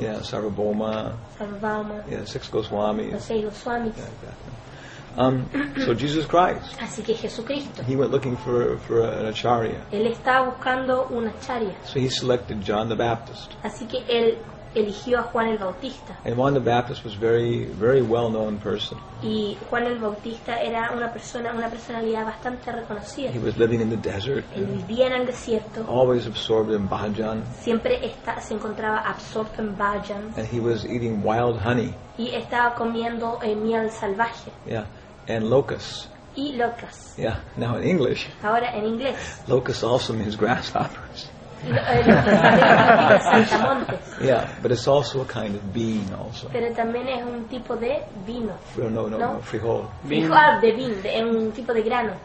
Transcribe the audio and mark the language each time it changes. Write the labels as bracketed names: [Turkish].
[English] Yeah, Sarvabhauma. Sarvabhauma. Yeah, six Goswamis. [Spanish] Los seis Goswamis. [English] Yeah, like that. So Jesus Christ. [Spanish] Así que Jesucristo. [English] He went looking for an acharya. [Spanish] Él estaba buscando un acharya. [English] So he selected John the Baptist. [Spanish] Así que él eligió a Juan el Bautista. [English] And Juan the Baptist was very, very well-known person. [Spanish] Y Juan el Bautista era una persona, una personalidad bastante reconocida. [English] He was living in the desert. [Spanish] Él vivía en el desierto. [English] Always absorbed in bhajan. [Spanish] Siempre se encontraba absorto en bhajan. [English] And he was eating wild honey. [Spanish] Y estaba comiendo miel salvaje. [English] Yeah, and locusts. [Spanish] Y locas. [English] Yeah, now in English. [Spanish] Ahora en inglés. [English] Locust also means grasshoppers. Yeah, but it's also a kind of bean also. [Spanish] Pero también es un tipo de vino. No, frijol. Frijol de bean, es un tipo de grano.